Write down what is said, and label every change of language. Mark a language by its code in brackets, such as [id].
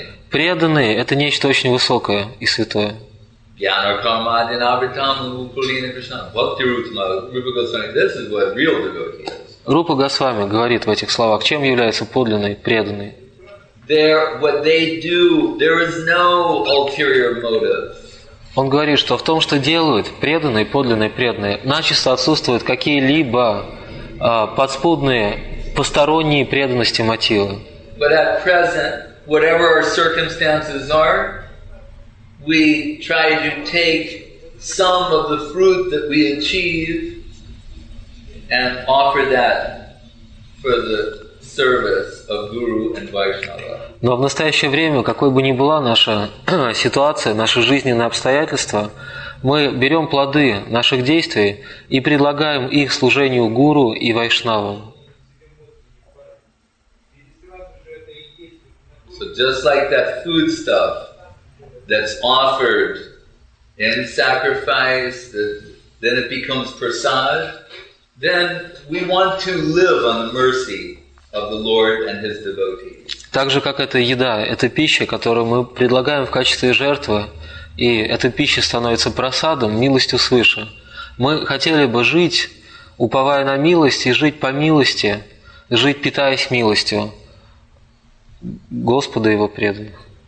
[ru] Преданные – это нечто очень высокое и святое. [sa] Jnana karma adinavritam upulina krishna bhakti rutma. [en] Rupa Goswami, this is what real devotee is. [ru] Рупа Госвами говорит в этих словах, чем является подлинный преданный. [en] There, what they do, there is no ulterior motive. [ru] Он говорит, что в том, что делают преданные, подлинные преданные, начисто отсутствуют какие-либо подспудные, посторонние преданности мотивы. [en] But at present, whatever our circumstances are, we try to take some of the fruit that we achieve and offer that for the service of Guru and Vaishnava. [ru] Но в настоящее время, какой бы ни была наша ситуация, наши жизненные обстоятельства, мы берем плоды наших действий и предлагаем их служению Гуру и Вайшнавам. [en] So just like that food stuff that's offered in sacrifice, then it becomes prasad. then we want to live on the mercy of the Lord and his devotees. [ru] Так же, как эта еда, эта пища, которую мы предлагаем в качестве жертвы, и эта пища становится просадом, милостью свыше. Мы хотели бы жить, уповая на милость, и жить по милости, жить, питаясь милостью Господа и Его преданных.